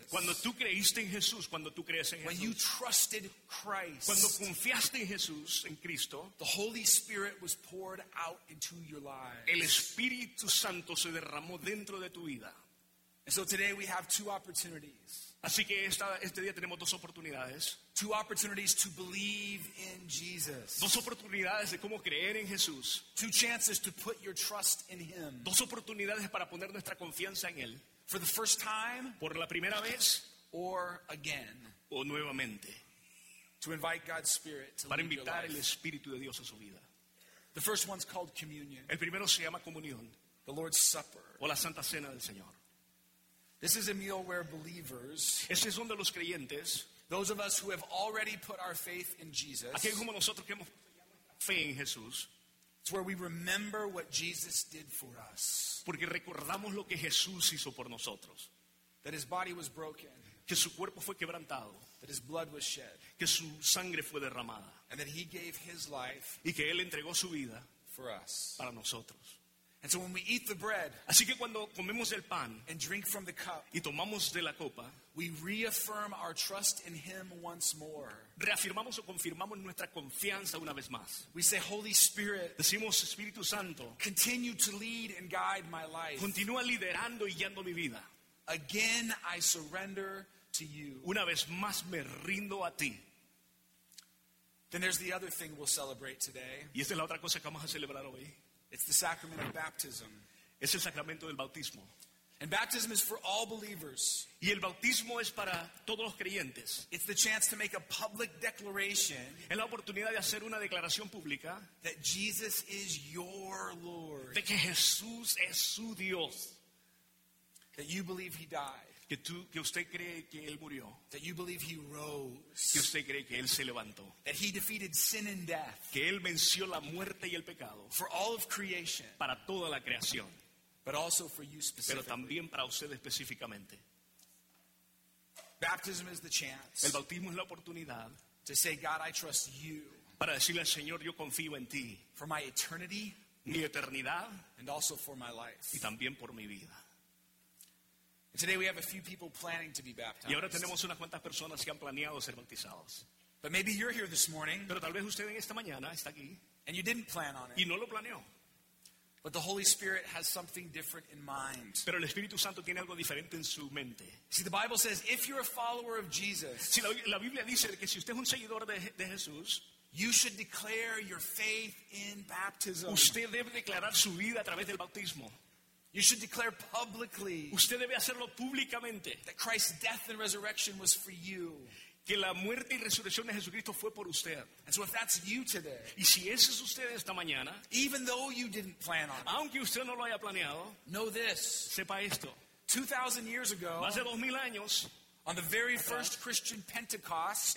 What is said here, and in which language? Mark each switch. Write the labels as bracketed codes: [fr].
[es] cuando tú creíste en Jesús, cuando tú crees en [en] when [es] Jesús, [en] you trusted Christ, [es] cuando confiaste en Jesús, en Cristo, [en] the Holy Spirit was poured out into your lives. [es] El Espíritu Santo se derramó dentro de tu vida. [en] And so today we have two opportunities. [es] Así que este día tenemos dos oportunidades. [en] Two opportunities to believe in Jesus. [es] Dos oportunidades de cómo creer en Jesús. [en] Two chances to put your trust in him. [es] Dos oportunidades para poner nuestra confianza en él. [en] For the first time, [es] por la primera vez, [en] or again, [es] o nuevamente. [en] To invite God's Spirit to [es] para invitar el Espíritu de Dios a su vida. [en] The first one's called communion. [es] El primero se llama comunión. [en] The Lord's Supper. [es] O la Santa Cena del Señor. [en] This is a meal where believers, [es] este es donde los creyentes, [en] those of us who have already put our faith in Jesus, [es] aquellos como nosotros que hemos fe en Jesús, [en] it's where we remember what Jesus did for us. [es] Porque recordamos lo que Jesús hizo por nosotros. [en] That his body was broken. [es] Que su cuerpo fue quebrantado. [en] That his blood was shed. [es] Que su sangre fue derramada. [en] And that he gave his life, [es] y que él entregó su vida, [en] for us, [es] para nosotros. [en] And so when we eat the bread, [es] así que cuando comemos el pan, [en] and drink from the cup, [es] y tomamos de la copa, [en] we reaffirm our trust in him once more. [es] Reafirmamos o confirmamos nuestra confianza una vez más. [en] We say, Holy Spirit, [es] decimos Espíritu Santo, [en] continue to lead and guide my life. [es] Continúa liderando y guiando mi vida. [en] Again, I surrender to you. [es] Una vez más me rindo a ti. [en] Then there's the other thing we'll celebrate today. [es] Y esta es la otra cosa que vamos a celebrar hoy. [en] It's the sacrament of baptism. [es] Es el sacramento del bautismo. [en] And baptism is for all believers. [es] Y el bautismo es para todos los creyentes. [en] It's the chance to make a public declaration. [es] Es la oportunidad de hacer una declaración pública. [en] That Jesus is your Lord. [es] De que Jesús es su Dios. [en] That you believe he died. [es] Que usted cree que él murió. [en] That you believe he rose. [es] Que usted cree que él se levantó. [en] That he defeated sin and death. [es] Que él venció la muerte y el pecado. [en] For all of creation. [es] Para toda la creación. [en] But also for you specifically. [es] Pero también para usted específicamente. [en] Baptism is the chance. [es] El bautismo es la oportunidad. [en] To say, God, I trust you. [es] Para decirle al Señor, yo confío en ti. [en] For my eternity. [es] Mi eternidad. [en] And also for my life. [es] Y también por mi vida. [en] And today we have a few people planning to be baptized. [es] Y ahora tenemos unas cuantas personas que han planeado ser bautizados. [en] But maybe you're here this morning. [es] Pero tal vez usted en esta mañana está aquí. [en] And you didn't plan on it. [es] Y no lo planeó. [en] But the Holy Spirit has something different in mind. [es] Pero el Espíritu Santo tiene algo diferente en su mente. [en] See, the Bible says, if you're a follower of Jesus, [es] si la Biblia dice que si usted es un seguidor de Jesús, [en] you should declare your faith in baptism. [es] Usted debe declarar su vida a través del bautismo. [en] You should declare publicly, [es] usted debe hacerlo públicamente, [en] that Christ's death and resurrection was for you. [es] Que la muerte y resurrección de Jesucristo fue por usted. [en] And so if that's you today, [es] y si ese es usted esta mañana, [en] even though you didn't plan on, [es] aunque usted no lo haya planeado, [en] know this, [es] sepa esto, [en] 2,000 years ago, [es] más de 2,000 años, [en] on the very first Christian Pentecost,